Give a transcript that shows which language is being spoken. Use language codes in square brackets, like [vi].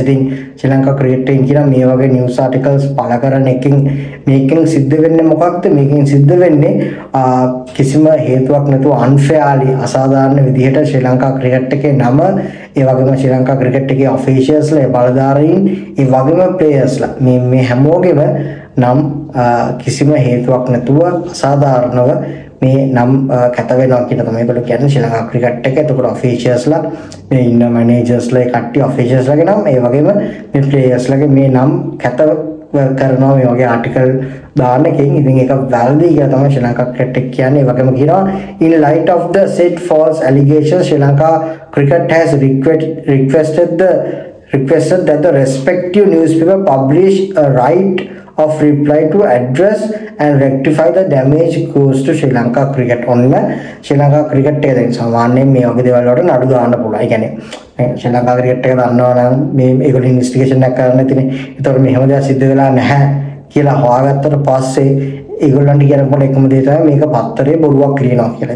[si] ඉතින් ශ්‍රී ලංකා ක්‍රිකට් එකේ කියන මේ වගේ න්ියුස් ආටිකල්ස් පළ කරන එකකින් මේකෙන් සිද්ධ වෙන්නේ මොකක්ද? මේකෙන් සිද්ධ වෙන්නේ කිසිම හේතුවක් නැතුව අන්ෆෙයාලි අසාධාරණ විදිහට ශ්‍රී ලංකා ක්‍රිකට් එකේ නම, ඒ වගේම ශ්‍රී ලංකා ක්‍රිකට් එකේ ඔෆිෂියල්ස්ලා, ඒ බලධාරීන්, ඒ වගේම ප්ලේයර්ස්ලා, මේ හැමෝගෙම නම් කිසිම හේතුවක් නැතුව අසාධාරණව මේ නම් කැත වෙනවා කියන තමයි බලු කියන්නේ ශ්‍රී ලංකා ක්‍රිකට් එක. එතකොට ඔෆිෂියල්ස්ලා, මේ ඉන්න මැනේජර්ස්ලා, ඒ කට්ටිය ඔෆිෂියල්ස්ලාගේ නම්, ඒ වගේම මේ ප්ලේයර්ස්ලාගේ මේ නම් කැත කරනවා මේ වගේ ආටිකල් දාන එකෙන්. ඉතින් ඒක වැරදි කියලා තමයි ශ්‍රී ලංකා ක්‍රිකට් එක කියන්නේ. ඒ වගේම කියනවා [en] in light of the said false allegations sri lanka cricket has requested that the respective newspaper publish a right of reply to address and rectify the damage caused to sri lanka cricket. [si] ඔන්න ශ්‍රී Lanka cricket එක දැන් සාමාන්‍යයෙන් මේ වගේ දේවල් වලට නඩු දාන්න පුළුවන්. ඒ කියන්නේ ශ්‍රී ලංකා ක්‍රිකට් එක දන්නවා නම් මේ ඒගොල්ලෝ ඉන්වෙස්ටිගේෂන් එකක් කරන්න ඉතින්. ඒතකොට මෙහෙම දෙයක් සිද්ධ වෙලා නැහැ කියලා හොයාගත්තට පස්සේ ඒගොල්ලන්ට කියනකොට එකම දේ තමයි මේක පත්තරේ බොරුවක් කියනවා කියලා.